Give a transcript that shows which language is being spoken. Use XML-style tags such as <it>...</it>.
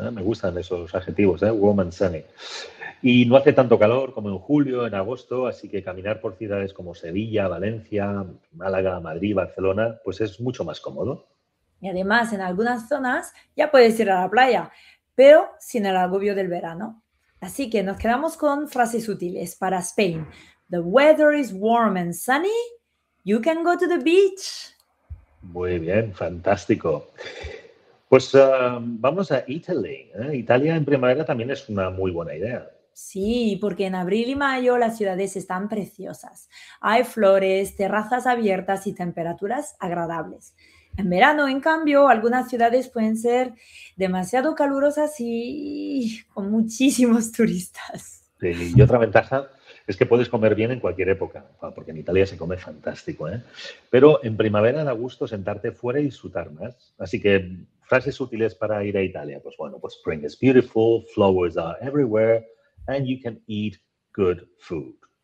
<es>Me gustan esos adjetivos, ¿eh? Warm and sunny. Y no hace tanto calor como en julio, en agosto, así que caminar por ciudades como Sevilla, Valencia, Málaga, Madrid, Barcelona, pues es mucho más cómodo. Y además, en algunas zonas ya puedes ir a la playa, pero sin el agobio del verano. Así que nos quedamos con frases útiles para Spain.</es> <en>The weather is warm and sunny. You can go to the beach.</en> <es>Muy bien, fantástico. Pues vamos a Italy. Italia en primavera también es una muy buena idea. Sí, porque en abril y mayo las ciudades están preciosas. Hay flores, terrazas abiertas y temperaturas agradables. En verano, en cambio, algunas ciudades pueden ser demasiado calurosas y con muchísimos turistas. Sí, y otra ventaja es que puedes comer bien en cualquier época, porque en Italia se come fantástico, ¿eh? Pero en primavera da gusto sentarte fuera y disfrutar más. Así que frases útiles para ir a Italia.</es> <en>Pues bueno, pues spring is beautiful, flowers are everywhere, and you can eat good food.</en>